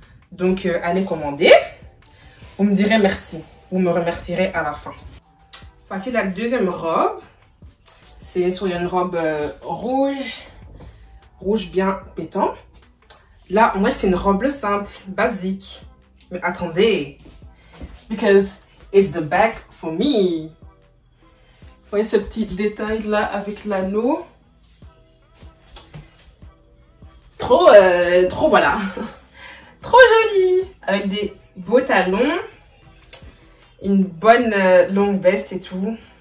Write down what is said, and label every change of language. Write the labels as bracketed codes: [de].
[fr] Donc allez commander. Vous me direz merci. Vous me remercierez à la fin. Voici la deuxième robe. C'est sur une robe rouge. Rouge bien pétant. Là en vrai c'est une robe simple, basique. Mais attendez. [en] Because it's the back for me. [fr] Vous voyez ce petit détail là avec l'anneau. Trop voilà, trop jolie, avec des beaux talons, une bonne longue veste et tout.